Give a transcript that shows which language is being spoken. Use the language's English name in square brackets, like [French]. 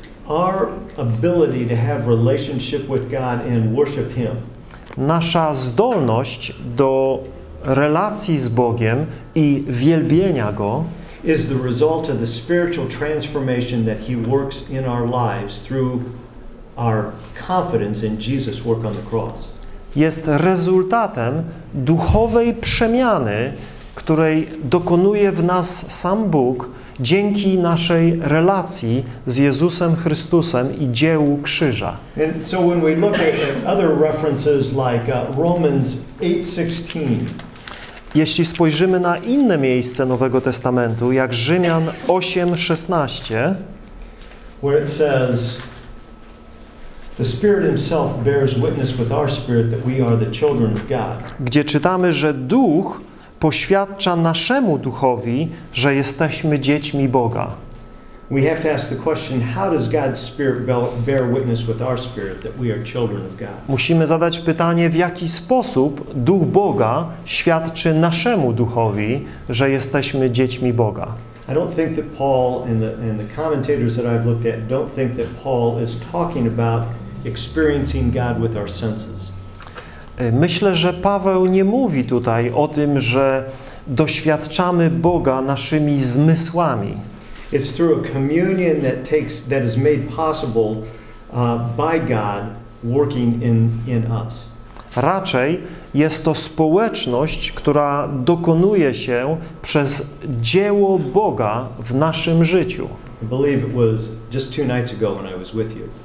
[English] Our ability to have relationship with God and worship Him. [Polish] Nasza zdolność do relacji z Bogiem i wielbienia Go [English] is the result of the spiritual transformation that He works in our lives through our confidence in Jesus' work on the cross. [Polish] Jest rezultatem duchowej przemiany, której dokonuje w nas sam Bóg dzięki naszej relacji z Jezusem Chrystusem i dziełu krzyża. [English] And so when we look at other references like Romans 8:16. [Polish] Jeśli spojrzymy na inne miejsce Nowego Testamentu, jak Rzymian 8:16, [English] where it says the Spirit himself bears witness with our spirit that we are the children of God. [Polish] Gdzie czytamy, że Duch poświadcza naszemu duchowi, że jesteśmy dziećmi Boga. [English] We have to ask the question, how does God's Spirit bear witness with our spirit that we are children of God? [Polish] Musimy zadać pytanie, w jaki sposób Duch Boga świadczy naszemu duchowi, że jesteśmy dziećmi Boga. [English] I don't think that Paul and the commentators that I've looked at don't think that Paul is talking about experiencing God with our senses. [Polish] Myślę, że Paweł nie mówi tutaj o tym, że doświadczamy Boga naszymi zmysłami. [English] It's through a communion that is made possible by God working in us. [Polish] Raczej jest to społeczność, która dokonuje się przez dzieło Boga w naszym życiu. [English] I believe it was just 2 nights ago when I was with you.